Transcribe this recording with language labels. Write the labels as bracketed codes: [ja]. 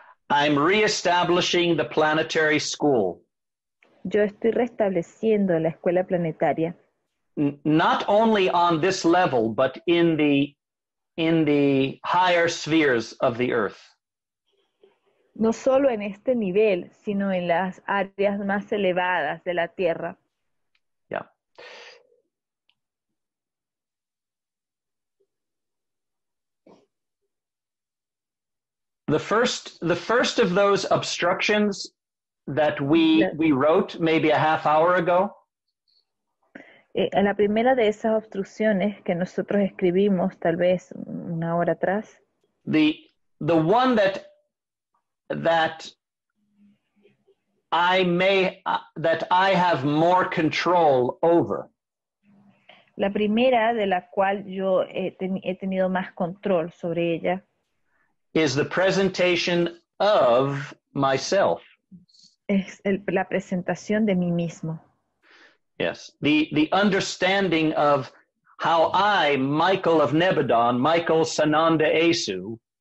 [en] I'm reestablishing the planetary school. [es] Yo estoy restableciendo la escuela planetaria. [en] Not only on this level, but in the higher spheres of the earth. [es] No solo en este nivel, sino en las áreas más elevadas de la Tierra. [en] Yeah. The first of those obstructions that we wrote maybe a half hour ago. [es] La primera de esas obstrucciones que nosotros escribimos tal vez una hora atrás. [en] The one that I may that I have more control over. [es] La primera de la cual yo he tenido más control sobre ella. [en] Is the presentation of myself. [es] Es la presentación de mí mismo. [en] Yes, the understanding of how I, Michael of Nebadon, Michael Sananda Esu.